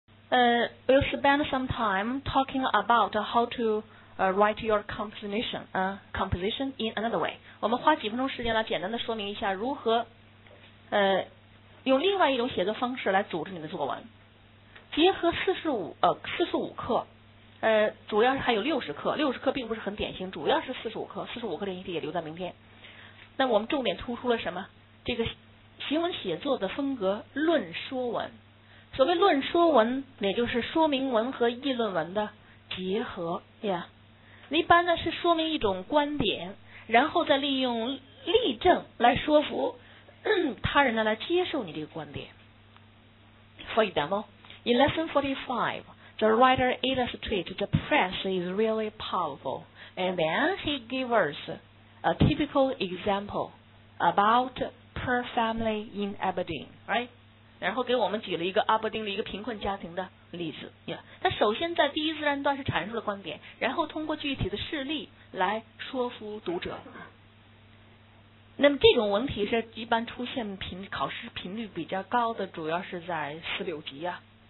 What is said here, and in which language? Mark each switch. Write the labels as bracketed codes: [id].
[en] We'll spend some time talking about how to write your composition composition in another way。 [zh] 我们花几分钟时间来简单的说明一下如何用另外一种写作方式来组织你的作文。结合四十五课，主要是还有六十课并不是很典型，主要是四十五课这一题也留在明天。那我们重点突出了什么？这个行文写作的风格论说文。所谓论说文，也就是说明文和议论文的结合呀。一般呢是说明一种观点，然后再利用例证来说服他人呢来接受你这个观点。 [en] For example。 In lesson 45, the writer illustrated the press is really powerful, and then he gave us a typical example about poor family in Aberdeen, right? [zh] 然后给我们举了一个阿伯丁的一个贫困家庭的例子。 Yeah. 他首先在第一自然段是阐述了观点，然后通过具体的事例来说服读者。那么这种文体是一般出现考试频率比较高的，主要是在四六级啊。